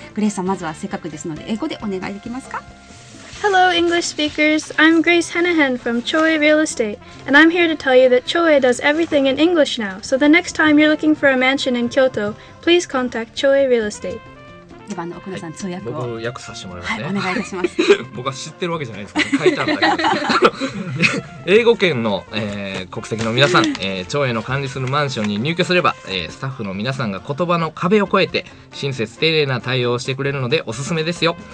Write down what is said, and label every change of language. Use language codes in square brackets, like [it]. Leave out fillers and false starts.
[ja] グレイスさん、まずはせっかくですので英語でお願いできますか。 [en] Hello, English speakers. I'm Grace Hennehan from Choe Real Estate, and I'm here to tell you that Choe does everything in English now. So the next time you're looking for a mansion in Kyoto, please contact Choe Real Estate. [ja] では、奥野さん、通訳を。僕、訳させてもらいますね。はい、お願いいたします。僕は知ってるわけじゃないですか。書いたんだけど。英語圏の、国籍の皆さん、町営の管理するマンションに入居すれば、スタッフの皆さんが言葉の壁を越えて、親切、丁寧な対応をしてくれるので、おすすめですよ。